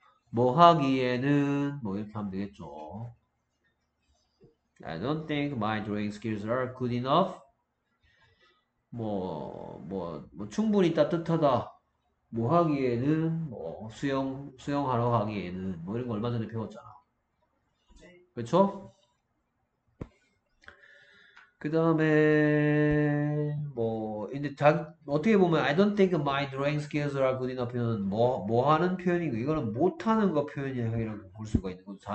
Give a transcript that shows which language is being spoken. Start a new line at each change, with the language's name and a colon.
Korean: 뭐 하기에는 뭐 이렇게 하면 되겠죠.
English: I don't think my drawing skills are good enough.
Korean: 뭐, 충분히 따뜻하다. 뭐 하기에는, 뭐, 수영하러 가기에는, 뭐 이런 거 얼마 전에 배웠잖아. 그쵸? 그 다음에, 뭐, 근데 어떻게 보면,
English: I don't think my drawing skills are good enough
Korean: 표현은 뭐 하는 표현이고, 이거는 못하는 거 표현이라고 볼 수가 있는 거죠.